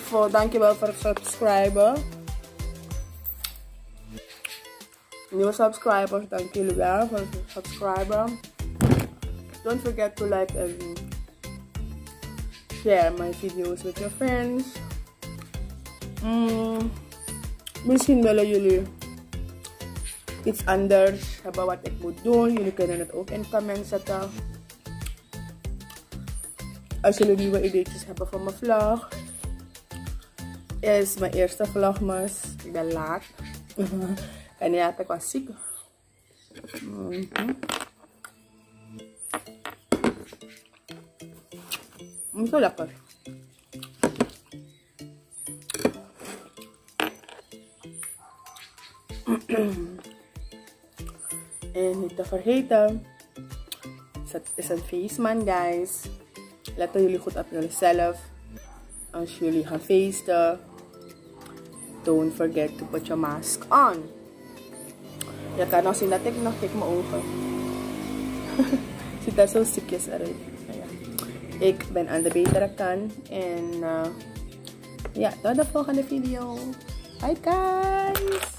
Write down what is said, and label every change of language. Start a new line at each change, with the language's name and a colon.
Dutch: Dankjewel voor het subscriben. Nieuwe subscribers, dank jullie wel voor het subscriben.
English: Don't forget to like and share my videos with your friends.
Dutch: Misschien willen jullie iets anders hebben wat ik moet doen. Jullie kunnen het ook in comment zetten. Als jullie nieuwe ideetjes hebben voor mijn vlog. Is mijn eerste vlog, maar ik ben laat. En ja, ik was ziek. Zo lekker. En niet te vergeten. Het is een feestman, guys. Letten jullie goed op jezelf. Als jullie gaan feesten.
English: Don't forget to put your mask on.
Dutch: Je kan nog zien dat ik nog kijk mijn ogen. Ziet er zo ziekjes eruit. Ja. Ik ben aan de betere kant. En ja, tot de volgende video.
English: Bye guys!